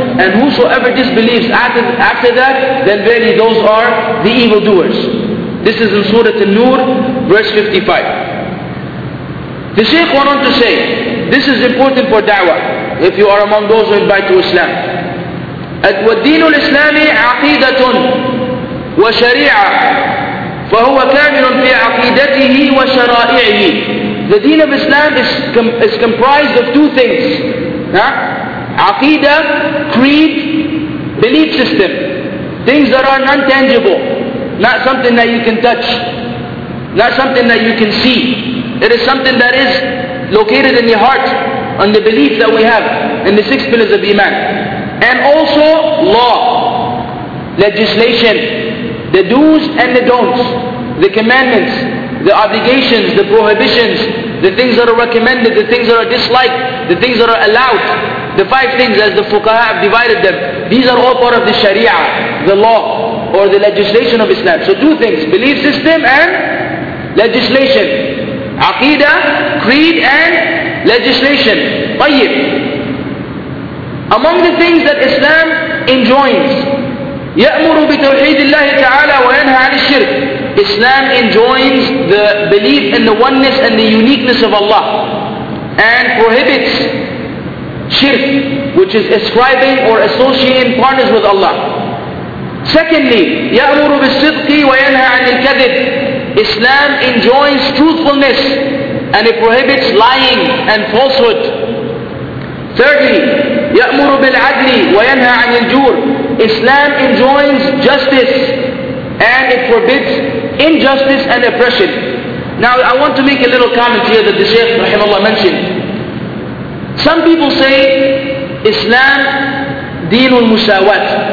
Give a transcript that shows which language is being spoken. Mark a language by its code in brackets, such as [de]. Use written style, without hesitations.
[en] And whosoever disbelieves after that, then verily those are the evildoers. This is in Surah An-Nur, verse 55. The Shaykh went on to say, this is important for da'wah, if you are among those who invite to Islam. [ar] الدين الإسلامي عقيدة وشريعة فهو كامل في عقيدته وشرائعه. [en] The deen of Islam is comprised of two things. Aqidah, creed, belief system. Things that are non-tangible. Not something that you can touch. Not something that you can see. It is something that is located in your heart on the belief that we have in the six pillars of Iman. And also law, legislation, the do's and the don'ts, the commandments, the obligations, the prohibitions, the things that are recommended, the things that are disliked, the things that are allowed, the five things as the fuqaha have divided them. These are all part of the sharia, the law, or the legislation of Islam. So two things, belief system and legislation. Aqidah, creed and legislation. Tayyib. Among the things that Islam enjoins, [ar] يَأْمُرُ بِتَوْحِيدِ اللَّهِ تَعَالَى وَيَنْهَى عَنِ الشِّرْكِ. [en] Islam enjoins the belief in the oneness and the uniqueness of Allah and prohibits shirk, which is ascribing or associating partners with Allah. Secondly, [ar] يَأْمُرُ بِالصِّدْقِ وَيَنْهَى عَنِ الْكَذِبِ. [en] Islam enjoins truthfulness and it prohibits lying and falsehood. Thirdly, [ar] يَأْمُرُ بِالْعَدْلِ وَيَنْهَى عَنِ الْجُورِ. [en] Islam enjoins justice and it forbids injustice and oppression. Now I want to make a little comment here that the Shaykh rahimahullah mentioned. Some people say Islam [ar] deenul musawat.